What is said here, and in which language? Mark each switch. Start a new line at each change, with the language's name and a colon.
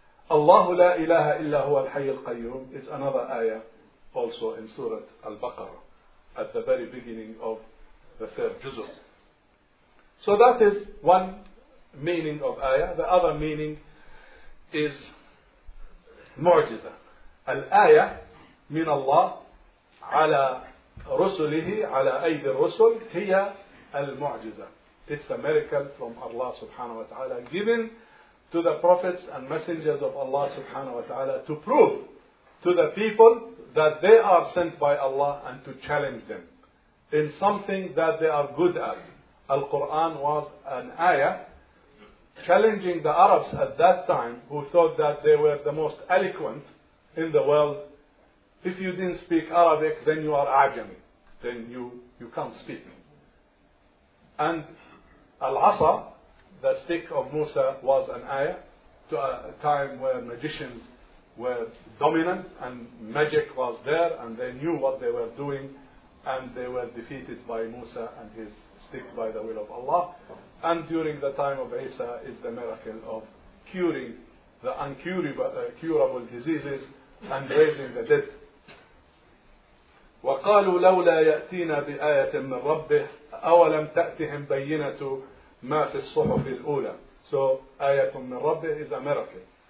Arabic: Allahu la ilaha illa huwa al-hayy al-qayyum
English: is another ayah also in Surah Al-Baqarah at the very beginning of the third juzuh. So that is one meaning of ayah. The other meaning is mu'jiza.
Arabic: Al-ayah min Allah ala رسله على أيدي الرسل هي المعجزة.
English: It's a miracle from Allah subhanahu wa ta'ala given to the prophets and messengers of Allah subhanahu wa ta'ala to prove to the people that they are sent by Allah and to challenge them in something that they are good at. Al-Quran was an ayah challenging the Arabs at that time, who thought that they were the most eloquent in the world. If you didn't speak Arabic, then you are ajami. Then you can't speak. And al-asa, the stick of Musa, was an ayah to a time where magicians were dominant and magic was there, and they knew what they were doing, and they were defeated by Musa and his stick by the will of Allah. And during the time of Isa is the miracle of curing the incurable diseases and raising the dead.
Arabic: وقالوا لولا يأتينا بآية من ربه أولم تأتهم بينة ما في الصحف الأولى.
English: So
Arabic: آية من ربه
English: is a miracle.